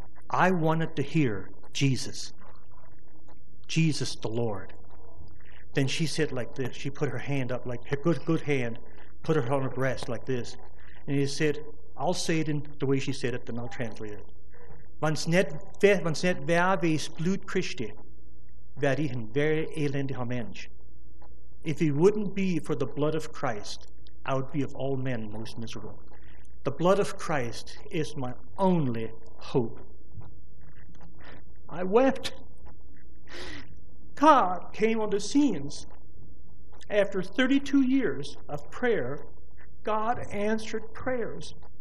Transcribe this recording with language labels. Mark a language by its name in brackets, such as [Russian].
[English] I wanted to hear Jesus. Jesus the Lord. Then she said like this. She put her hand up, like her good hand, put her on her breast like this. And he said, I'll say it in the way she said it, then I'll translate it. [German] Wenn's net wer wies Blut Christi, wär ich ein [English] very [German] elendiger Mensch. [English] If it wouldn't be for the blood of Christ, I would be of all men most miserable. The blood of Christ is my only hope. I wept. God came on the scenes. After 32 years of prayer, God answered prayers.